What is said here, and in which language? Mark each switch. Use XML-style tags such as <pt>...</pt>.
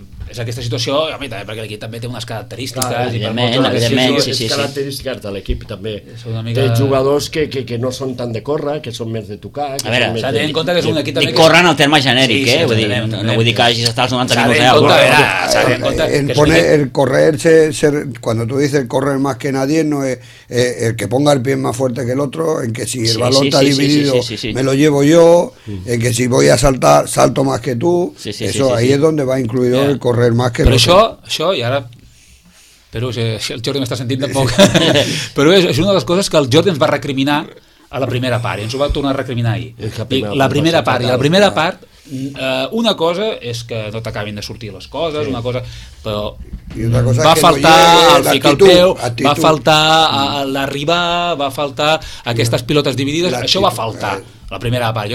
<ca>és aquesta situació, a mi, també, perquè l'equip també té unes característiques. Clar, evidentment, per evidentment, sí, sí, sí. Característiques de l'equip també. Té jugadors que no són tan de córrer, que són més de tocar. A veure, s'ha de tenir en compte que és un equip també... Dic córrer en el terme genèric, sí, sí, vull dir, no vull dir que hagis estat als 90 minuts. S'ha de tenir en compte, en</ca> <es>pone el correr, cuando tú dices correr más que nadie, no es el que ponga el pie más fuerte que el otro, en que si el balón está dividido, me lo llevo yo, en que si voy a saltar, salto más que tú, eso ahí es donde va incluido el correr más que el otro.</es> <ca>Pero això, i ara, però si el Jordi m'està sentint tampoc, però és una de les coses que el Jordi ens va recriminar a la primera part, i ens ho va tornar a recriminar ahir. La primera part, i la primera part, una cosa és que no t'acabin de sortir les coses, una cosa, però va faltar el pic al peu, va faltar l'arribar, va faltar aquestes pilotes dividides, això va faltar la primera part.</ca>